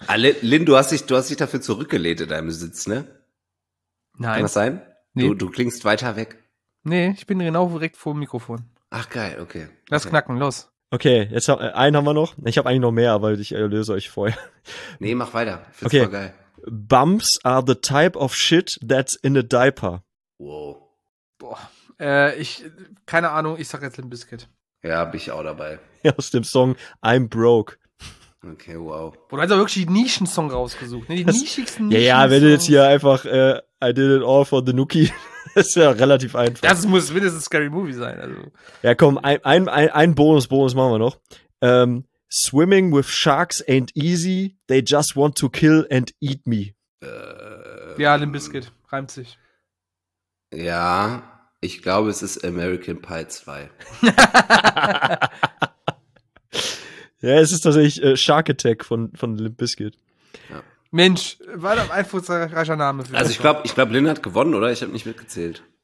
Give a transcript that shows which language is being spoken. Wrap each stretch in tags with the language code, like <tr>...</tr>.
<de>Ah, Lin, du hast dich dafür zurückgelehnt in deinem Sitz, ne? Nein. Kann das sein? Nee. Du klingst weiter weg. Nee, ich bin genau direkt vor dem Mikrofon. Ach geil, okay. Lass knacken, los. Okay, jetzt einen haben wir noch. Ich habe eigentlich noch mehr, aber ich erlöse euch vorher. Nee, mach weiter. Find's okay. Voll geil.</de> <en>Bumps are the type of shit that's in a diaper. Wow. Boah.</en> <de>Keine Ahnung, ich sag jetzt Limp Bizkit. Ja, bin ich auch dabei. Aus dem Song I'm Broke. Okay, wow. Boah, du hast aber wirklich die Nischensong rausgesucht, ne? Die das, nischigsten ja, ja, wenn du jetzt hier einfach</de> <en>I did it all for the Nookie.</en> <de>Das ist ja relativ einfach. Das muss mindestens Scary Movie sein. Also. Ja, komm, ein Bonus machen wir noch.</de> <en>Swimming with sharks ain't easy. They just want to kill and eat me.</en> <de>Ja, Limp Bizkit. Reimt sich. Ja, ich glaube, es ist American Pie 2. Ja, es ist tatsächlich Shark Attack von Limp Bizkit. Ja. Mensch, war doch ein einflussreicher Name. Für also ich glaube, Lin hat gewonnen, oder? Ich habe nicht mitgezählt.</de>